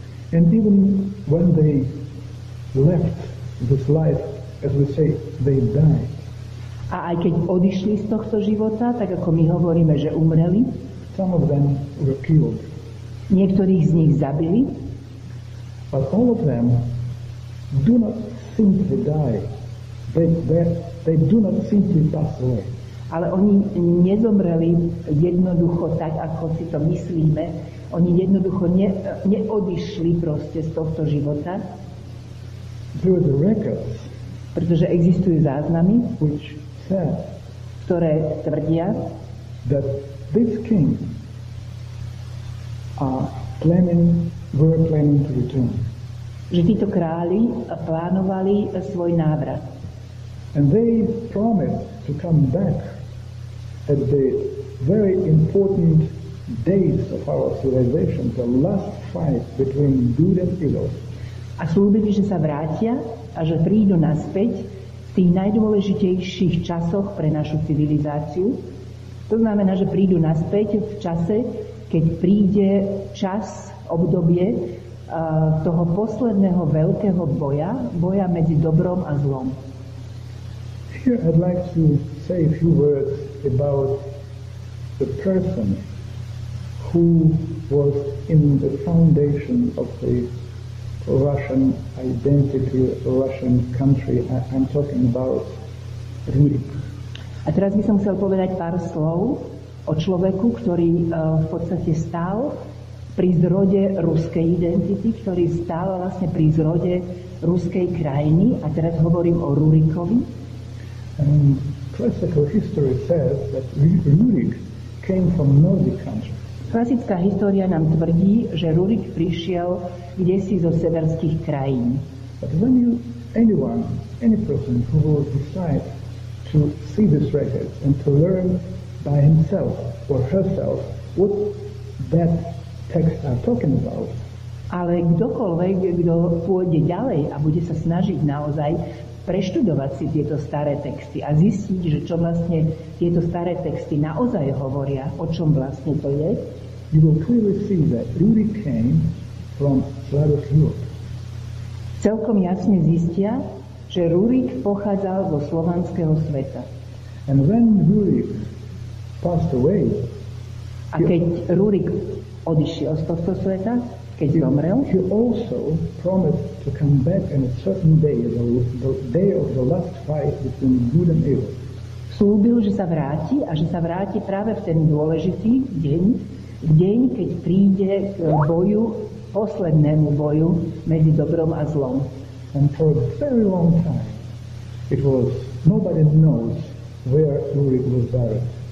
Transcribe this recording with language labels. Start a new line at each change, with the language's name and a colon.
English: And even when they left this life, as we say, they died.
Slovak: A aj keď odišli z tohto života, tak ako my hovoríme, že umreli.
English: Some of them were killed.
Slovak: Niektorých z nich zabili.
English: But all of them do not simply die. They do not simply pass away.
Slovak: Ale oni nezomreli jednoducho tak, ako si to myslíme. Oni jednoducho neodišli proste z tohto života.
English: There are the records,
Slovak: pretože existujú záznamy,
English: which said,
Slovak: ktoré tvrdia,
English: that this king were planning to return.
Slovak: Že títo králi plánovali svoj návrat.
English: And they promised to come back at the very important days of our civilization, the last fight between good and evil.
Slovak: A slúbili, že sa vrátia a že prídu naspäť v tých najdôležitejších časoch pre našu civilizáciu. To znamená, že prídu naspäť v čase, keď príde čas, obdobie toho posledného veľkého boja, boja medzi dobrom a zlom.
English: Here I'd like to say a few words about the person who was in the foundation of the Russian identity, Russian country. I'm talking about Rurik.
Slovak: A teraz by som chcel povedať pár slov o človeku, ktorý v podstate stál pri zrode ruskej identity, ktorý stál vlastne pri zrode ruskej krajiny. A teraz hovorím o Rurikovi.
English: Classical history says that Rurik came from Nordic country.
Slovak: Klasická história nám tvrdí, že Rurik prišiel kdesi zo severských krajín.
English: But when you, anyone, any person who will decide to see this record and to learn by himself or herself what that text are talking about.
Slovak: Ale kdokoľvek, kto pôjde ďalej a bude sa snažiť naozaj preštudovať si tieto staré texty a zistiť, že čo vlastne tieto staré texty naozaj hovoria, o čom vlastne to je.
English: You will clearly see that Rurik came from Slavic Europe.
Slovak: Celkom jasne zistia, že Rurik pochádzal zo slovanského sveta.
English: And when Rurik passed away,
Slovak: a keď Rurik odišiel z tohto sveta, keď zomrel,
English: he also promised to come back in a certain day, the day of the last fight between good and evil.
Slovak: Slúbil, že sa vráti a že sa vráti práve v ten dôležitý deň, deň, keď príde k boju, poslednému boju medzi dobrom a zlom.
English: And for a very long time, it was nobody knows where Rurik was buried.